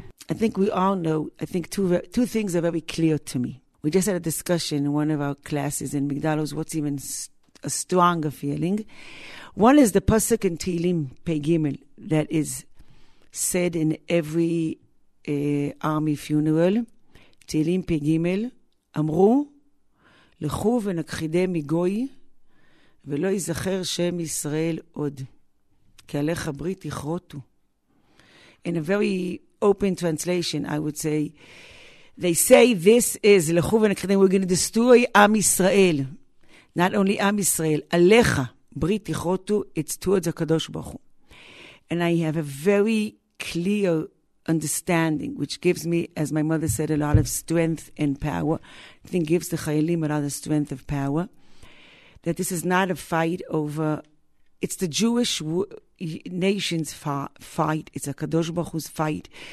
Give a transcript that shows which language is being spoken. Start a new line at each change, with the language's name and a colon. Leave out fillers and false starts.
English: I think we all know, I think two things are very clear to me. We just had a discussion in one of our classes in Migdal Oz, what's even a stronger feeling. One is the Pasuk in Tehilim, Pei Gimel, that is said in every army funeral.
Hebrew: Tehilim, Pei Gimel, Amru, Lechu v'nakchide migoy, ולא יזכר שם ישראל עוד, כי עליך הברית יכרותו.
English: In a very open translation, I would say, they say this is, לכו ונקדם, we're going to destroy עם ישראל. Not only עם ישראל, עליך, ברית יכרותו, it's towards הקדוש ברוך הוא. And I have a very clear understanding, which gives me, as my mother said, a lot of strength and power. I think gives the חיילים a lot of strength of power. That this is not a fight over, it's the Jewish nation's fight, it's a Kadosh Baruch Hu's fight.